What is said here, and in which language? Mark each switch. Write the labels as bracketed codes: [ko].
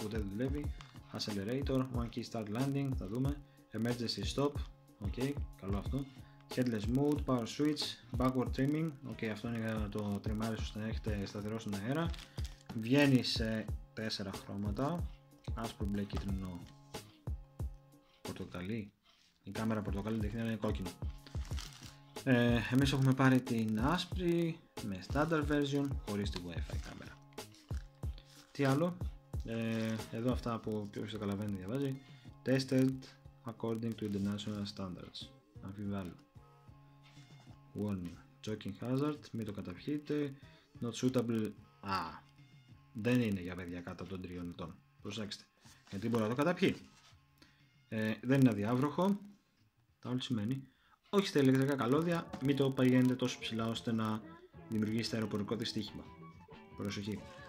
[el] δουλεύει, accelerator, [en] one key start landing, [el] θα δούμε, [en] emergency stop, [el] ok, καλό αυτό, [en] headless mode, [el] power switch, [en] backward trimming, [el] ok, αυτό είναι για το τριμάρι σου να έχετε σταθερό στον αέρα, βγαίνει σε 4 χρώματα, άσπρο, μπλε, κίτρινο, πορτοκαλί, η κάμερα πορτοκαλί δείχνει να είναι κόκκινο. Εμείς έχουμε πάρει την άσπρη με standard version χωρίς τη wifi κάμερα. Τι άλλο, εδώ αυτά που όποιος το καταλαβαίνει διαβάζει. [en] Tested according to international standards. [el] Αμφιβάλλω. [en] Warning, choking hazard, [el] μην το καταπιείτε. [en] Not suitable, [el] δεν είναι για παιδιά κάτω των 3 ετών. Προσέξτε, γιατί μπορεί να το καταπιεί. Δεν είναι αδιάβροχο. Τα όλη σημαίνει. Όχι στα ηλεκτρικά καλώδια, μην το παγαίνετε τόσο ψηλά ώστε να δημιουργήσετε αεροπορικό δυστύχημα. Προσοχή.